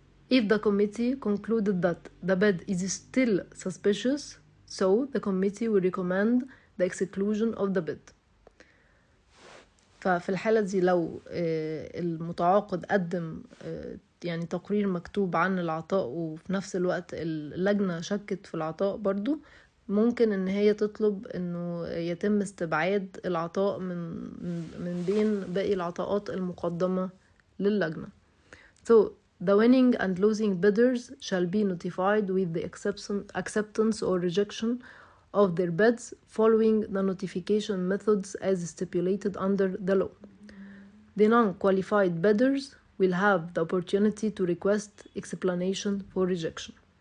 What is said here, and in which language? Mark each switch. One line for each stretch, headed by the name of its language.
English: If the committee concluded that the bid is still suspicious, so the committee will recommend the exclusion of the bid.
Arabic: ففي الحالة دي لو المتعاقد قدم يعني تقرير مكتوب عن العطاء وفي نفس الوقت اللجنة شكت في العطاء برضو، ممكن ان هي تطلب انه يتم استبعاد العطاء من بين باقي العطاءات المقدمة للجنة.
English: So the winning and losing bidders shall be notified with the acceptance or rejection of their bids following the notification methods as stipulated under the law. The non-qualified bidders will have the opportunity to request explanation for rejection.